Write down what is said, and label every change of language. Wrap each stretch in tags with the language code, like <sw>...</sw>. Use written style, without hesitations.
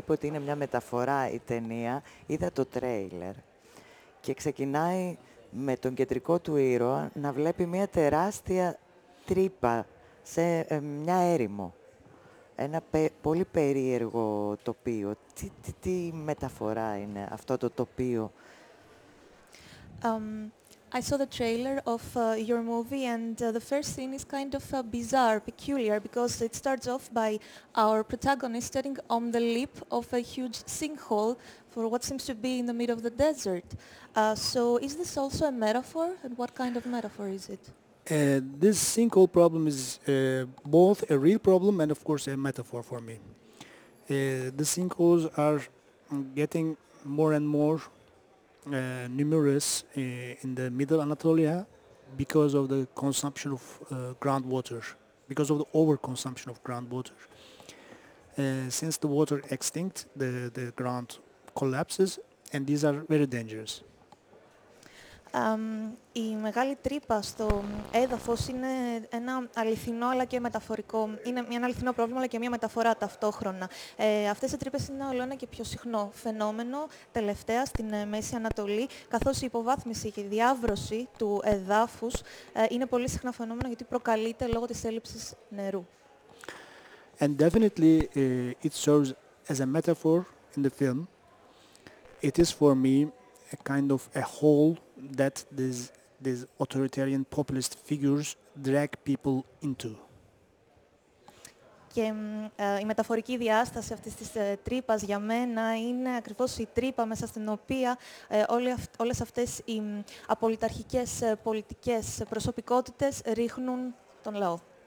<el>Είπε ότι είναι μια μεταφορά η ταινία. Είδα το τρέιλερ και ξεκινάει με τον κεντρικό του ήρωα να βλέπει μια τεράστια τρύπα σε μια έρημο. Ένα πολύ περίεργο τοπίο. Τι μεταφορά είναι αυτό το τοπίο?</el> <en>I saw the trailer of your movie, and the first scene is kind of bizarre, peculiar, because it starts off by our protagonist standing on the lip of a huge sinkhole for what seems to be in the middle of the desert. So is this also a metaphor, and what kind of metaphor is it? This sinkhole problem is both a real problem and, of course, a metaphor for me. The sinkholes are getting more and more numerous in the middle Anatolia because of the consumption of groundwater, because of the overconsumption of groundwater. Since the water extinct, the ground collapses, and these are very dangerous.</en> <el>Η μεγάλη τρύπα στο έδαφος είναι ένα αληθινό αλλά και μεταφορικό. Είναι ένα αληθινό πρόβλημα αλλά και μια μεταφορά ταυτόχρονα. Αυτές οι τρύπες είναι όλο ένα και πιο συχνό φαινόμενο τελευταία στην Μέση Ανατολή, καθώς η υποβάθμιση και η διάβρωση του εδάφους είναι πολύ συχνά φαινόμενο γιατί προκαλείται λόγω της έλλειψης νερού.</el> <en>And definitely it serves as a metaphor in the film. It is for me a kind of a hole that these authoritarian populist figures drag people into.</en> <el>Και η μεταφορική διάσταση αυτής της τρύπας για μένα είναι ακριβώς η τρύπα μέσα στην οποία όλες αυτές οι απολυταρχικές πολιτικές προσωπικότητες ρίχνουν τον λαό.</el>